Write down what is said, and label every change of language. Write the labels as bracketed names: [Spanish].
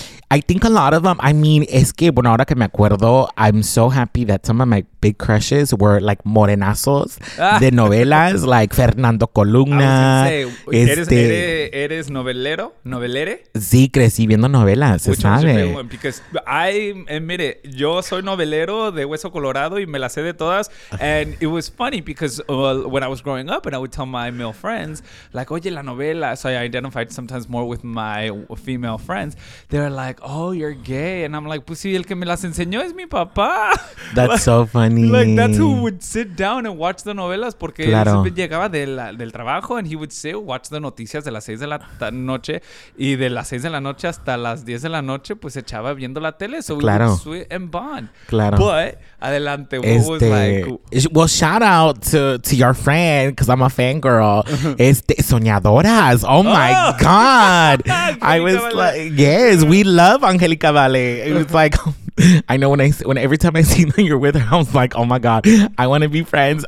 [English] I think a lot of them, I mean, [Spanish] es que, bueno, ahora que me acuerdo, [English] I'm so happy that some of my big crushes were like [Spanish] morenazos de novelas, [English] like Fernando Columna. [Spanish] Say, ¿Eres novelero? ¿Novelere? Sí, crecí viendo novelas, se [English] Which [Spanish] sabe. Mire, yo soy novelero de hueso colorado y me las sé de todas. [English] And it was funny because when I was growing up and I would tell my male friends, like, [Spanish] oye, la novela. [English] So I identified sometimes more with my female friends. They were like, oh, you're gay. And I'm like, [Spanish] pues sí, el que me las enseñó es mi papá. [English] That's so funny. Like, that's who would sit down and watch the novelas. [Spanish] Porque claro. Él llegaba del trabajo [English] and he would sit, watch the [Spanish] noticias de las 6 de la noche. Y de las 6 de la noche hasta las 10 de la noche, pues echaba viendo la tele. [English] So [Spanish] claro. [English] We would sweet and bond. [Spanish] Claro. [English] But, adelante, what was like? Well, shout out to your friend, because I'm a fangirl. Soñadoras. Oh, my God. I was like, yes, we love Angelica Vale. It was like, I know when every time I see that you're with her, I was like, oh my God, I want to be friends.